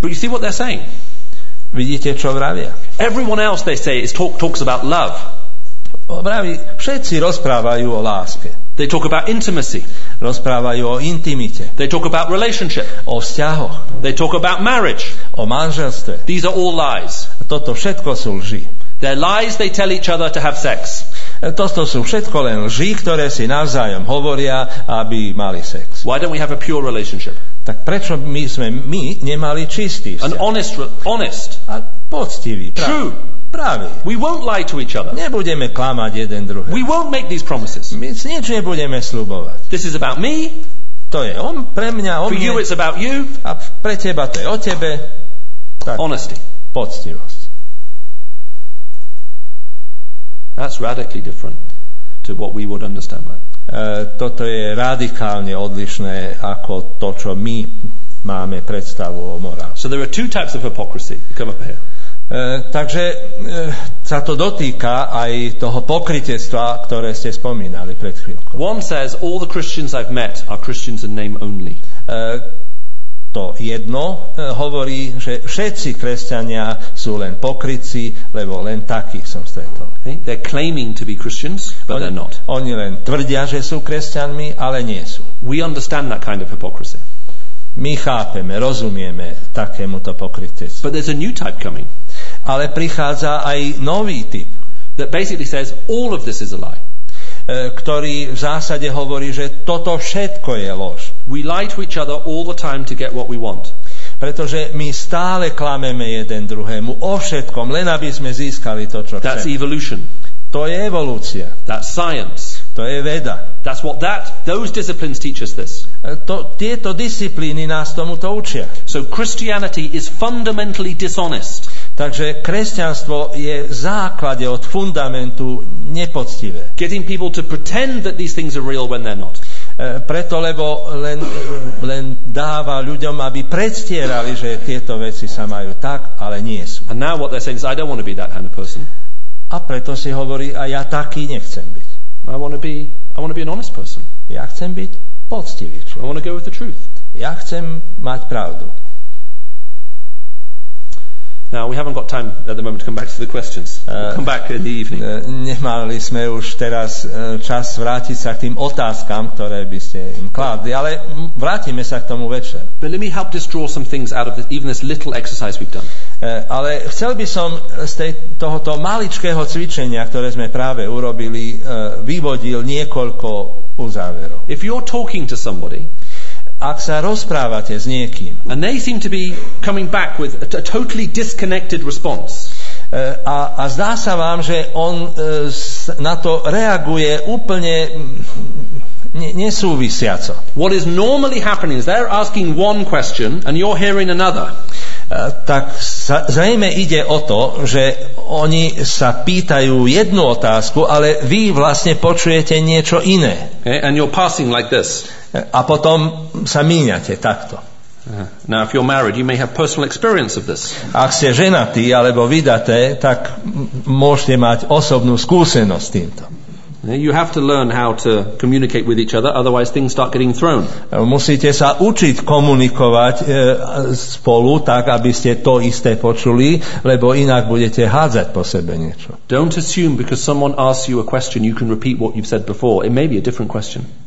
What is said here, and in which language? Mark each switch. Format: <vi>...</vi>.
<en>But you see what they're saying?</en> <sk>Vidíte, čo vravia?</sk> <en>Everyone else they say is talks about love.</en> <sk>Vraví, všetci rozprávajú o láske.</sk> <en>They talk about intimacy.</en> <sk>Rozprávajú o intimite.</sk> <en>They talk about relationship.</en> <sk>O vzťahoch.</sk> <en>They talk about marriage.</en> <sk>O manželstve.</sk> <en>These are all lies.</en> <sk>Toto všetko sú lži.</sk> <en>They're lies they tell each other to have sex.</en> <sk>Toto sú všetko len lži, ktoré si navzájom hovoria, aby mali sex.</sk> <en>Why don't we have a pure relationship?</en> <sk>Tak prečo my sme my nemali čistý vzťah?</sk> <en>An honest, honest.</en> <sk>A poctivý, pravý.</sk> <en>True.</en> <sk>Pravý.</sk> <en>We won't lie to each other.</en> <sk>Nebudeme klamať jeden druhého.</sk> <en>We won't make these promises.</en> <sk>My nič nebudeme sľubovať.</sk> <en>This is about me.</en> <sk>To je on pre mňa, on</sk> <en>for</en> <sk>mne.</sk> <en>You it's about you.</en> <sk>A pre teba to je o tebe. Tak.</sk> <en>Honesty.</en> <sk>Poctivosť.</sk> <en>That's radically different to what we would understand by.</en> <sk>Toto je radikálne odlišné ako to, čo my máme predstavu o morálke.</sk> <en>So there are two types of hypocrisy. Come up here.</en> <sk>Takže sa to dotýka aj toho pokrytectva, ktoré ste spomínali pred chvíľkou.</sk> <en>One says all the Christians I've met are Christians in name only.</en> <sk>To jedno hovorí, že všetci kresťania sú len pokrytci, lebo len takých som stretol.</sk> <en>Okay. They're claiming to be Christians, but they're not.</en> <sk>Oni len tvrdia, že sú kresťanmi, ale nie sú.</sk> <en>We understand that kind of hypocrisy.</en> <sk>My chápeme, rozumieme takémuto pokrytectvu.</sk> <en>But there's a new type coming.</en> <sk>Ale prichádza aj nový typ.</sk> <en>That basically says all of this is a lie.</en> <sk>Ktorý v zásade hovorí, že toto všetko je lož.</sk> <en>We lie to each other all the time to get what we want.</en> <sk>Pretože my stále klameme jeden druhému o všetkom, len aby sme získali to, čo chceme.</sk> <en>That's evolution.</en> <sk>To je evolúcia.</sk> <en>That's science.</en> <sk>To je veda.</sk> <en>That's what those disciplines teach us this.</en> <sk>Tieto disciplíny nás tomu to učia.</sk> <en>So Christianity is fundamentally dishonest.</en> <sk>Takže kresťanstvo je v základe od fundamentu nepoctivé.</sk> <en>Getting people to pretend that these things are real when they're not.</en> <sk>Preto, lebo len dáva ľuďom, aby predstierali, že tieto veci sa majú tak, ale nie sú.</sk> <en>And now what they're saying is, I don't want to be that kind of person.</en> <sk>A preto si hovorí, a ja taký nechcem byť.</sk> <en>I want to be an honest person.</en> <sk>Ja chcem byť poctivý človek.</sk> <en>I want to go with the truth.</en> <sk>Ja chcem mať pravdu.</sk> <en>Now we haven't got time at the moment to come back to the questions. We'll come back in the evening.</en> <sk>Nemali sme už teraz čas vrátiť sa k tým otázkam, ktoré by ste im kladli, ale vrátime sa k tomu večer.</sk> <en>But let me help just draw some things out of this little exercise we've done.</en> <sk>Ale chcel by som z tohoto maličkého cvičenia, ktoré sme práve urobili, vyvodil niekoľko uzáverov.</sk> <en>If you're talking to somebody,</en> <sk>ak sa rozprávate s niekým,</sk> <en>and they seem to be coming back with a totally disconnected response,</en> <sk>a zdá sa vám, že on na to reaguje úplne nesúvisiaco.</sk> <en>What is normally happening is they're asking one question and you're hearing another.</en> <sk>Tak zrejme ide o to, že oni sa pýtajú jednu otázku, ale vy vlastne počujete niečo iné.</sk> <en>Okay, and you're passing like this.</en> <sk>A potom sa míňate takto.</sk> <en>Now if you're married, you may have personal experience of this.</en> <sk>Ak ste ženatí alebo vydaté, tak môžete mať osobnú skúsenosť s týmto.</sk> <en>You have to learn how to communicate with each other, otherwise things start getting thrown.</en> <sk>Musíte sa učiť komunikovať spolu tak, aby ste to isté počuli, lebo inak budete hádzať po sebe niečo.</sk> <en>Don't assume because someone asks you a question you can repeat what you've said before. It may be a different question.</en>